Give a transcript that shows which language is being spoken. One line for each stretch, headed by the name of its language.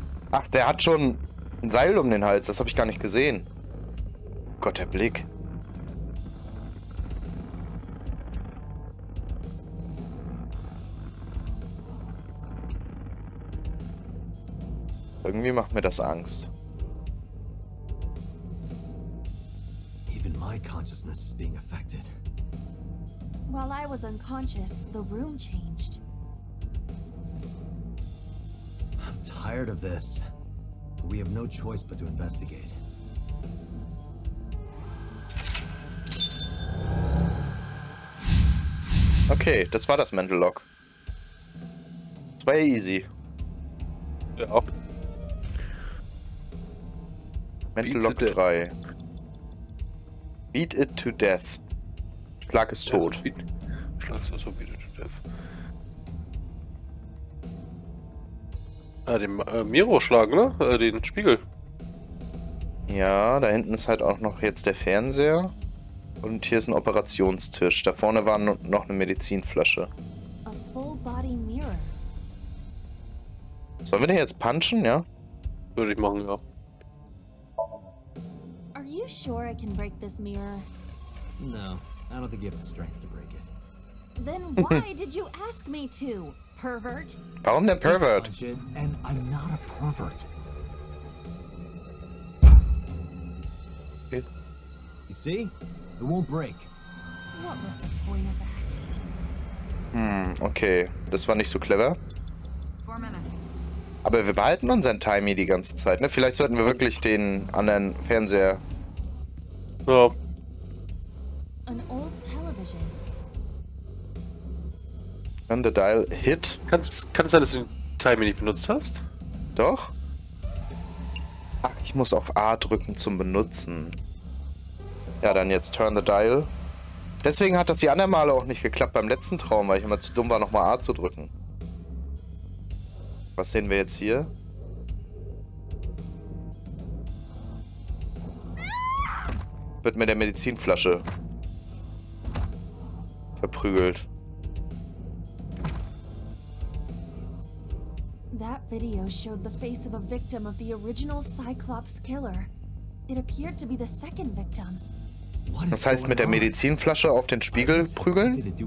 German: Ach, der hat schon ein Seil um den Hals. Das habe ich gar nicht gesehen. Gott, der Blick. Irgendwie macht mir das Angst.
English: My consciousness is being affected. While I was unconscious, the room changed. I'm tired of this. We have no choice but to investigate.
German: Okay, das war das Mental Lock. Das war ja easy. Ja.
English: Mental Lock 3. Beat it to death.
German: Schlag ist tot. Schlag ist so
English: beat it to death.
German: Ah, den Miro schlagen, ne? Den Spiegel. Ja, da hinten ist halt auch noch jetzt der Fernseher. Und hier ist ein Operationstisch. Da vorne war noch eine Medizinflasche.
English: A full body mirror.
German: Sollen wir den jetzt punchen, ja? Würde ich machen, ja.
English: Are you sure I can break this mirror? No, I don't think you have the strength to break it. Then why did you ask me to, pervert?
German: Warum denn pervert?
English: And I'm not a pervert. You see? It won't break. What was the point of that?
German: Okay. Das war nicht so clever. Aber wir behalten unseren Timey die ganze Zeit, ne? Vielleicht sollten wir wirklich den anderen Fernseher. Ja.
English: An old television. When the dial hit.
German: Kann es sein, dass du den Timey nicht benutzt hast? Doch. Ach, ich muss auf A drücken zum Benutzen. Ja, dann jetzt
English: turn the dial.
German: Deswegen hat das die anderen Male auch nicht geklappt beim letzten Traum, weil ich immer zu dumm war, nochmal A zu drücken. Was sehen wir jetzt hier? Wird mit der Medizinflasche verprügelt.
English: That video showed the face of a victim of the original Cyclops killer. It appeared to be the second victim.
German: Das heißt, mit der Medizinflasche auf den Spiegel prügeln?